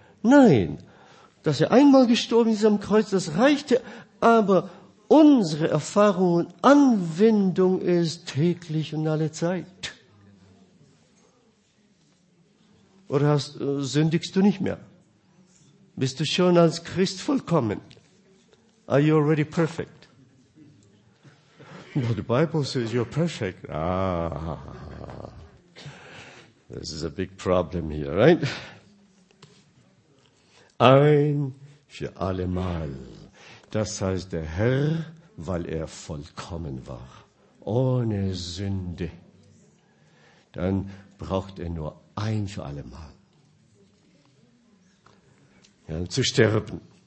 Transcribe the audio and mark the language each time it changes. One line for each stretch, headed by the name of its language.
German: Nein, dass er einmal gestorben ist am Kreuz, das reichte. Aber unsere Erfahrung und Anwendung ist täglich und alle Zeit. Oder sündigst du nicht mehr? Bist du schon als Christ vollkommen?
English: Are you already perfect? But the Bible says you're perfect. This is a big problem here, right?
German: Ein für alle Mal. Das heißt, der Herr, weil er vollkommen war, ohne Sünde, dann braucht er nur ein für alle Mal, ja, zu sterben.